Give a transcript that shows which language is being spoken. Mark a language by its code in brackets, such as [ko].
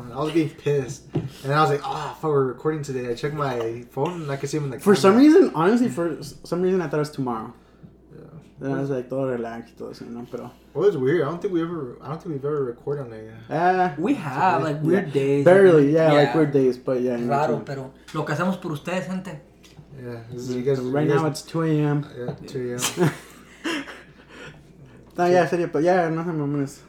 [en] And I was getting pissed. And I was like, oh, fuck, we're recording today. I checked my phone and I could see him in the camera. For some reason, I thought it was tomorrow. Then I was like, [es] todo relaxed, todo eso, ¿no? Pero... [en] Well, it's weird. I don't think we've ever recorded on it. We have, so, like, weird days. Barely, yeah, like, weird days, but yeah. [es] Claro, no, pero lo que hacemos por ustedes, gente. [en] Yeah. So right now, it's 2 a.m. Yeah, 2 a.m. No, yeah, serio, but yeah, nothing more minutes.